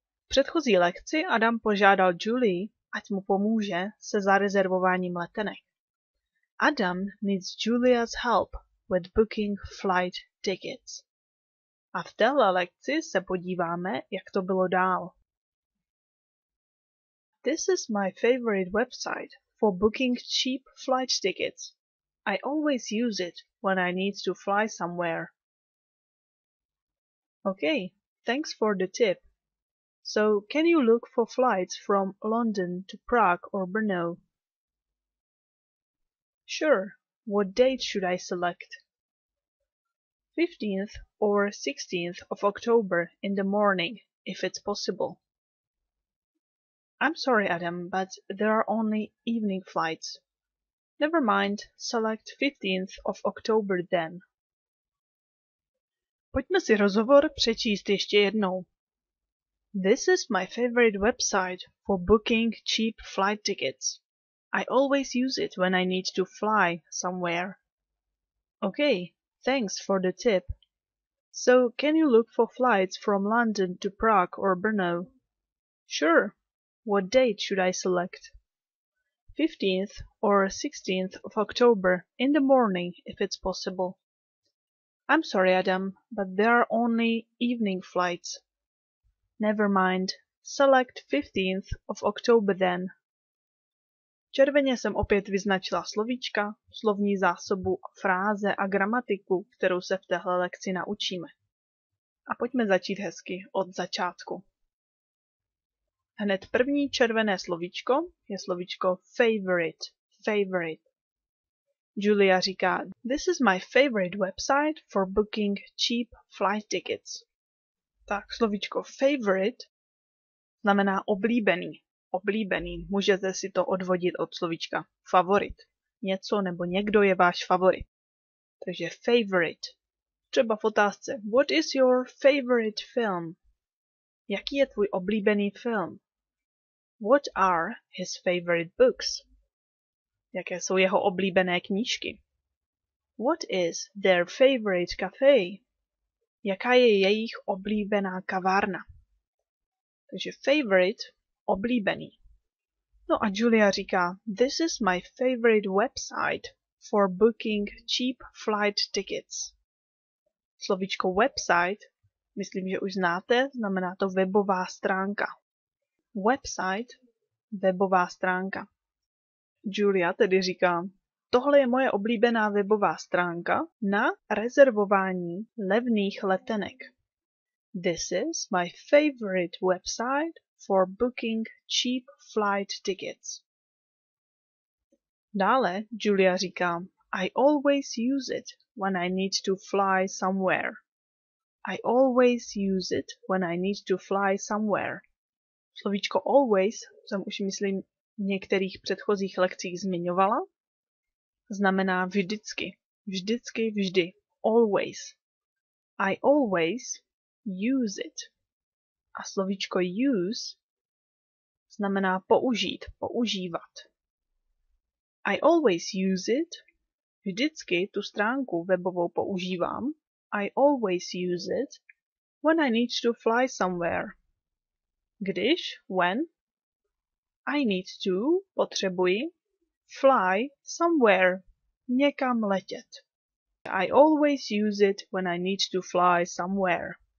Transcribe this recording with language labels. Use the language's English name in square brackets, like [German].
[Czech] V předchozí lekci Adam požádal Julie, ať mu pomůže se zarezervováním letenek. [English] Adam needs Julia's help with booking flight tickets. [Czech] A v téhle lekci se podíváme, jak to bylo dál. [English] This is my favorite website for booking cheap flight tickets. I always use it when I need to fly somewhere. Okay, thanks for the tip. So, can you look for flights from London to Prague or Brno? Sure, what date should I select? 15th or 16th of October in the morning, if it's possible. I'm sorry, Adam, but there are only evening flights. Never mind, select 15th of October then. [Czech] Pojďme si rozhovor přečíst ještě jednou. [English] This is my favorite website for booking cheap flight tickets. I always use it when I need to fly somewhere. Okay. Thanks for the tip. So, can you look for flights from London to Prague or Brno? Sure. What date should I select? 15th or 16th of October in the morning, if it's possible. I'm sorry, Adam, but there are only evening flights. Never mind. Select 15th of October then. [Czech] Červeně jsem opět vyznačila slovíčka, slovní zásobu, fráze a gramatiku, kterou se v téhle lekci naučíme. A pojďme začít hezky od začátku. Hned první červené slovíčko je slovíčko favorite, favorite. Julia říká, [English] this is my favorite website for booking cheap flight tickets. [Czech] Tak slovíčko favorite znamená oblíbený. Oblíbený, můžete si to odvodit od slovíčka favorit. Něco nebo někdo je váš favorit. Takže favorite. Třeba v otázce, [English] what is your favorite film? [Czech] Jaký je tvůj oblíbený film? [English] What are his favorite books? [Czech] Jaké jsou jeho oblíbené knížky? [English] What is their favorite cafe? [Czech] Jaká je jejich oblíbená kavárna? Takže favorite. Oblíbený. No a Julia říká, [English] this is my favorite website for booking cheap flight tickets. [Czech] Slovíčko website, myslím, že už znáte, znamená to webová stránka. Website, webová stránka. Julia tedy říká, tohle je moje oblíbená webová stránka na rezervování levných letenek. [English] This is my favorite website for booking cheap flight tickets. [Czech] Dále Julia říká, [English] I always use it when I need to fly somewhere. I always use it when I need to fly somewhere. [Czech] Slovíčko always jsem už myslím v některých předchozích lekcích zmiňovala. Znamená vždycky. Vždycky, vždy. Always. [English] I always use it. [Czech] A slovíčko use znamená použít, používat. [English] I always use it. [Czech] Vždycky tu stránku webovou používám. [English] I always use it when I need to fly somewhere. [Czech] Když, when, [English] I need to, [Czech] potřebuji, [English] fly somewhere, [Czech] někam letět. [English] I always use it when I need to fly somewhere.